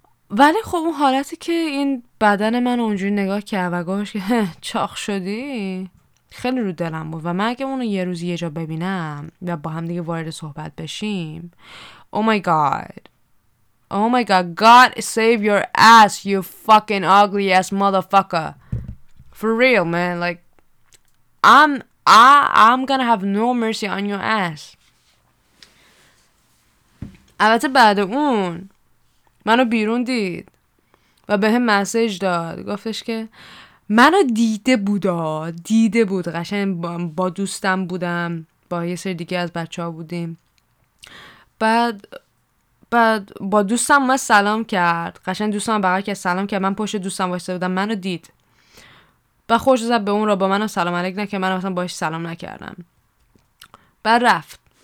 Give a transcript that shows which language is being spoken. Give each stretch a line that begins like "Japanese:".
Persian: ولی خب اون حالتی که این بدن من اونجوری نگاه کرد و گفت که چاخ شدی، خیلی رو دلم بود. و من اگه اونو یه روز یه جا ببینم و با هم دیگه وارد صحبت بشیم،
English: Oh my god, God save your ass, you fucking ugly ass motherfucker. For real, man. Like, I'm gonna have no mercy on your ass.
Persian: البته بعد اون منو بیرون دید و به هم مسیج داد، گفتش که منو دیده بود قشنگ با دوستم بودم، با یه سری دیگه از بچه ها بودیم، بعد با دوستم من سلام کرد، قشنگ دوستم بقیه که سلام کرد، من پشت دوستم واسه بودم، منو دید و خوش زد به اون را با منو سلام علیک نکرد، منو مثلا باش سلام نکردم، بعد رفت.